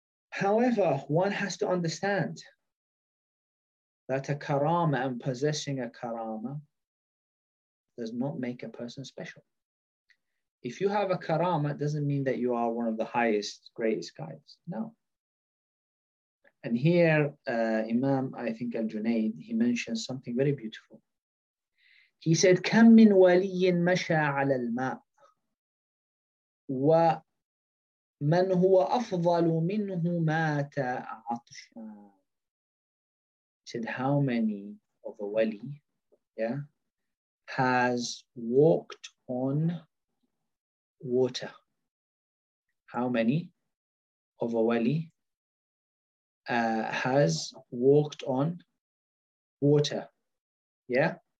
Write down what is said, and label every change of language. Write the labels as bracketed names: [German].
[English] However, one has to understand that a karama and possessing a karama does not make a person special. If you have a karama, it doesn't mean that you are one of the highest, greatest guys. No. And here, Imam, I think Al-Junaid, he mentions something very beautiful. He said, [Arabic] كَمْ مِنْ وَلِيٍ مَشَى عَلَى الْمَاءِ وَمَنْ هُوَ أَفْضَلُ مِنْهُ مَاتَ عَطْشًا. [English] He said, how many of a wali, yeah, has walked on water? How many of a wali has walked on water? Yeah.